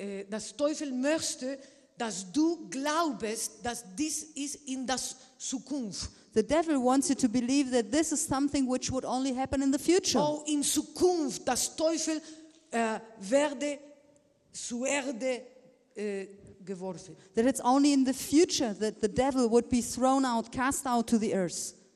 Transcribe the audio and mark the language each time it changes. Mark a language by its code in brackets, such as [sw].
[de] Das Teufel möchte, dass du glaubest, dass dies ist in das Zukunft. [en] The devil wants you to believe that this is something which would only happen in the future. [de] Oh, in Zukunft, das Teufel werde zu Erde geworfen. [en] That it's only in the future that the devil would be thrown out, cast out to the earth.